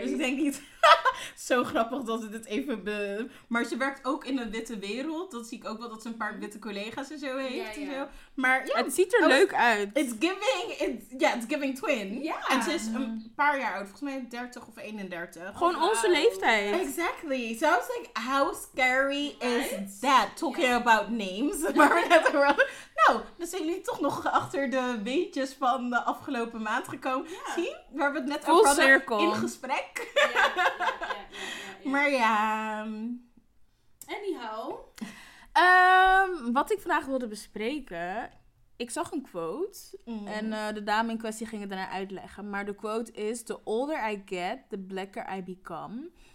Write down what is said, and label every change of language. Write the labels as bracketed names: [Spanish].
[Dutch] Dus ik denk niet... Zo grappig dat ze dit even... Maar ze werkt ook in een witte wereld. Dat zie ik ook wel, dat ze een paar witte collega's en zo heeft. Ja, ja. En zo. Maar, ja, het ziet er leuk uit. [English] It's giving... it's giving twin. Yeah. [Dutch] En ze is een paar jaar oud. Volgens mij 30 of 31. Gewoon onze leeftijd. [English] Exactly. So I was like, how scary is that? Talking about names. [Dutch] Maar we hebben wel... Nou, dan zijn jullie toch nog achter de weetjes van de afgelopen maand gekomen. [English] Yeah. [Dutch] Zie, waar we het net over hadden. In gesprek. Ja, ja, ja, ja, ja. Maar ja... [English] Anyhow. [Dutch] Wat ik vandaag wilde bespreken... ik zag een quote. Mm. En de dame in kwestie ging het daarna uitleggen. Maar de quote is: [English] the older I get, the blacker I become.